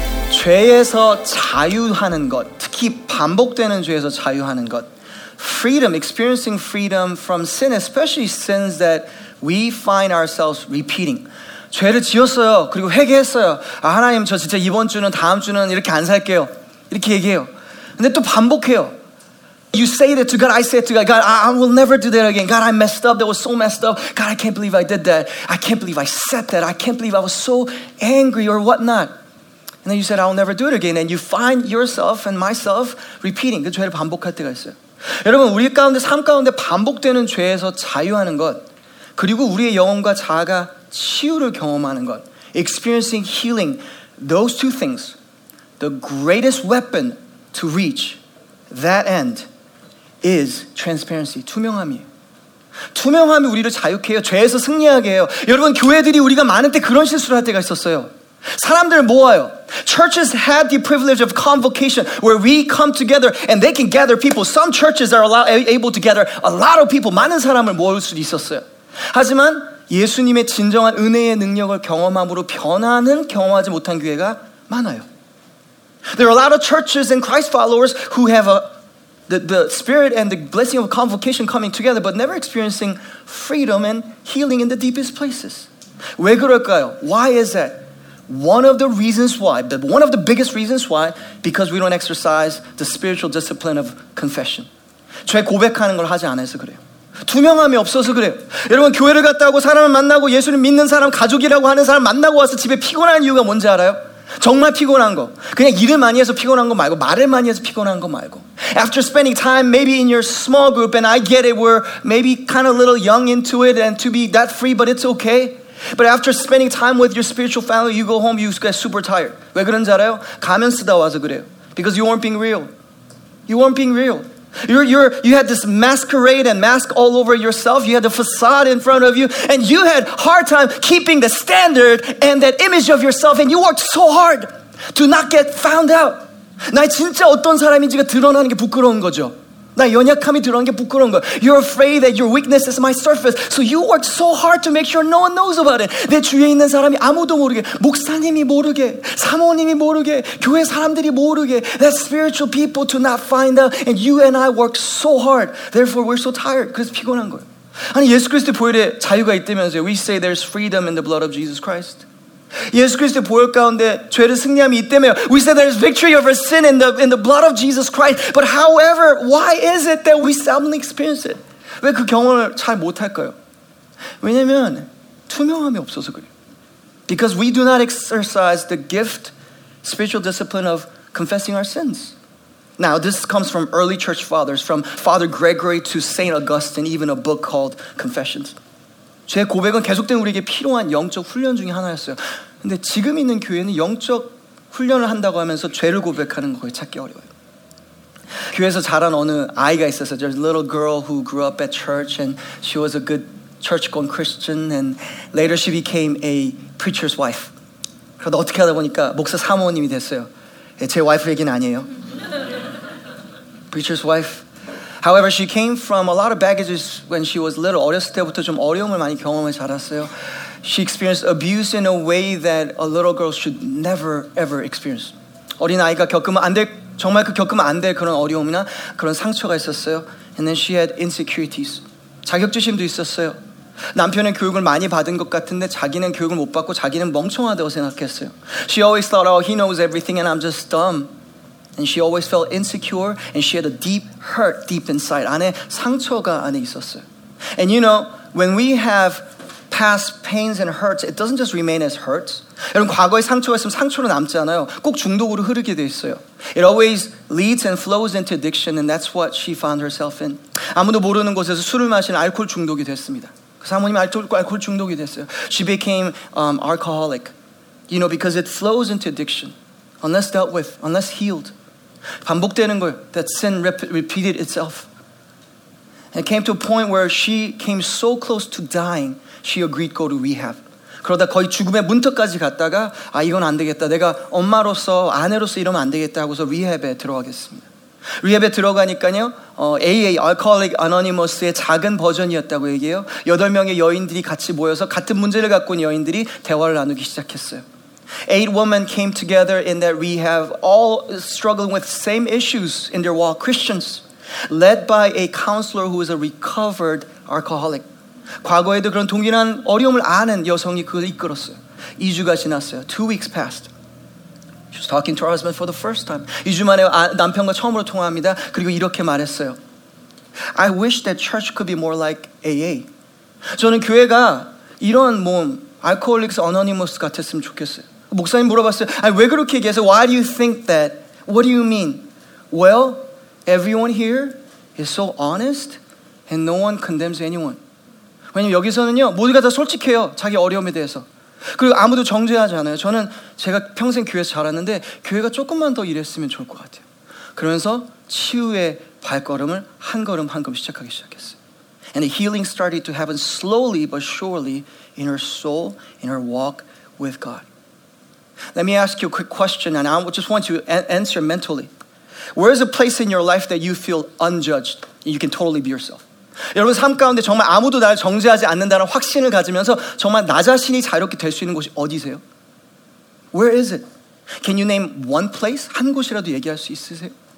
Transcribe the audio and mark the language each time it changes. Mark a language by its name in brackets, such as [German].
[Korean] 죄에서 자유하는 것, 특히 반복되는 죄에서 자유하는 것. [English] Freedom, experiencing freedom from sin, especially sins that we find ourselves repeating. [Korean] 죄를 지었어요. 그리고 회개했어요. 아, 하나님 저 진짜 이번 주는 다음 주는 이렇게 안 살게요. 이렇게 얘기해요. 근데 또 반복해요. [English] You say that to God, I say it to God. God, I will never do that again. God, I messed up. That was so messed up. God, I can't believe I did that. I can't believe I said that. I can't believe I was so angry or whatnot. And then you said, I will never do it again. And you find yourself and myself repeating. [Korean] 그 죄를 반복할 때가 있어요. 여러분, 우리 가운데, 삶 가운데 반복되는 죄에서 자유하는 것, 그리고 우리의 영혼과 자아가 치유를 경험하는 것, [English] experiencing healing, those two things, the greatest weapon to reach that end is transparency, [Korean] 투명함이에요. 투명함이 우리를 자유케 해요. 죄에서 승리하게 해요. 여러분, 교회들이 우리가 많은 때 그런 실수를 할 때가 있었어요. 사람들 모아요. [English] Churches had the privilege of convocation where we come together and they can gather people. Some churches are able to gather a lot of people. [Korean] 많은 사람을 모을 수 있었어요. 하지만 예수님의 진정한 은혜의 능력을 경험함으로 변화는 경험하지 못한 교회가 많아요. [English] There are a lot of churches and Christ followers who have the spirit and the blessing of convocation coming together but never experiencing freedom and healing in the deepest places. [Korean] 왜 그럴까요? [English] Why is that? One of the reasons why, one of the biggest reasons why, because we don't exercise the spiritual discipline of confession. [Korean] 죄 고백하는 걸 하지 않아서 그래요. 투명함이 없어서 그래요. 여러분, 교회를 갔다 하고 사람을 만나고 예수를 믿는 사람, 가족이라고 하는 사람 만나고 와서 집에 피곤한 이유가 뭔지 알아요? 정말 피곤한 거. 그냥 일을 많이 해서 피곤한 거 말고, 말을 많이 해서 피곤한 거 말고. [English] After spending time maybe in your small group, and I get it, we're maybe kind of a little young into it and to be that free, but it's okay. But after spending time with your spiritual family, you go home, you get super tired. [Korean] 왜 그런지 알아요? 가면 쓰다 와서 그래요. [English] Because you weren't being real. You weren't being real. You had this masquerade and mask all over yourself. You had the facade in front of you. And you had hard time keeping the standard and that image of yourself. And you worked so hard to not get found out. [Korean] 나 진짜 어떤 사람인지가 드러나는 게 부끄러운 거죠. 나 연약함이 드러난 게 부끄러운 거야. [English] You're afraid that your weakness is my surface. So you work so hard to make sure no one knows about it. [Korean] 내 주위에 있는 사람이 아무도 모르게, 목사님이 모르게, 사모님이 모르게, 교회 사람들이 모르게, [English] that spiritual people to not find out. And you and I work so hard. Therefore, we're so tired. [Korean] 그래서 피곤한 거야. 아니, 예수 그리스도 보혈에 자유가 있다면서요. [English] We say there's freedom in the blood of Jesus Christ. [Korean] 예수 그리스도 보혈 가운데 죄를 승리함이 있다며. [English] We say there's victory over sin in the blood of Jesus Christ. But however, why is it that we suddenly experience it? [Korean] 왜 그 경험을 잘 못할까요? 왜냐면 투명함이 없어서 그래요. [English] Because we do not exercise the gift, spiritual discipline of confessing our sins. Now, this comes from early church fathers, from Father Gregory to Saint Augustine, even a book called Confessions. [Korean] 죄 고백은 계속된 우리에게 필요한 영적 훈련 중에 하나였어요. 근데 지금 있는 교회는 영적 훈련을 한다고 하면서 죄를 고백하는 거에 찾기 어려워요. 교회에서 자란 어느 아이가 있어서 [English] there's a little girl who grew up at church and she was a good church-going Christian and later she became a preacher's wife. [Korean] 그러다 어떻게 하다 보니까 목사 사모님이 됐어요. 제 와이프 얘기는 아니에요. [English] Preacher's wife. However, she came from a lot of baggages when she was little. [Korean] 어렸을 때부터 좀 어려움을 많이 경험해 자랐어요. [English] She experienced abuse in a way that a little girl should never, ever experience. [Korean] 어린 아이가 겪으면 안 될, 정말 그 겪으면 안 될 그런 어려움이나 그런 상처가 있었어요. [English] And then she had insecurities. [Korean] 자격지심도 있었어요. 남편은 교육을 많이 받은 것 같은데 자기는 교육을 못 받고 자기는 멍청하다고 생각했어요. [English] She always thought, oh, he knows everything and I'm just dumb. And she always felt insecure, and she had a deep hurt deep inside. [Korean] 안에 상처가 안에 있었어요. [English] And you know, when we have past pains and hurts, it doesn't just remain as hurts. [Korean] 여러분, 과거에 상처가 있으면 상처로 남지 않아요. 꼭 중독으로 흐르게 돼 있어요. [English] It always leads and flows into addiction, and that's what she found herself in. [Korean] 아무도 모르는 곳에서 술을 마시는 알코올 중독이 됐습니다. 그 사모님이 알코올 중독이 됐어요. [English] She became alcoholic, you know, because it flows into addiction. Unless dealt with, unless healed. [Korean] 반복되는 거예요. [English] That sin repeated itself. And it came to a point where she came so close to dying, she agreed to go to rehab. [Korean] 그러다 거의 죽음의 문턱까지 갔다가, 아, 이건 안 되겠다. 내가 엄마로서, 아내로서 이러면 안 되겠다 하고서 리헵에 들어가겠습니다. 리헵에 들어가니까요, AA, Alcoholic Anonymous의 작은 버전이었다고 얘기해요. 8명의 여인들이 같이 모여서 같은 문제를 갖고 있는 여인들이 대화를 나누기 시작했어요. [English] Eight women came together in that rehab, all struggling with same issues in their walk. Christians, led by a counselor who is a recovered alcoholic. [Korean] 과거에도 그런 동일한 어려움을 아는 여성이 그걸 이끌었어요. 2주가 지났어요. [English] 2 weeks passed. She was talking to her husband for the first time. [Korean] 2주 만에 남편과 처음으로 통화합니다. 그리고 이렇게 말했어요. [English] I wish that church could be more like AA. [Korean] 저는 교회가 이런 모험, Alcoholics Anonymous 같았으면 좋겠어요. 목사님 물어봤어요. 왜 그렇게 얘기하세요? [English] Why do you think that? What do you mean? Well, everyone here is so honest and no one condemns anyone. [Korean] 왜냐면 여기서는요, 모두가 다 솔직해요. 자기 어려움에 대해서. 그리고 아무도 정죄하지 않아요. 저는 제가 평생 교회에서 자랐는데 교회가 조금만 더 이랬으면 좋을 것 같아요. 그러면서 치유의 발걸음을 한 걸음 한 걸음 시작하기 시작했어요. [English] And the healing started to happen slowly but surely in her soul, in her walk with God. Let me ask you a quick question, and I just want you to answer mentally. Where is a place in your life that you feel unjudged? You can totally be yourself. [Korean] 여러분 삶 가운데 정말 아무도 나를 정죄하지 않는다는 확신을 가지면서 정말 나 자신이 자유롭게 될 수 있는 곳이 어디세요? [English] Where is it? Can you name one place? [Korean] 한 곳이라도 얘기할 수 있으세요?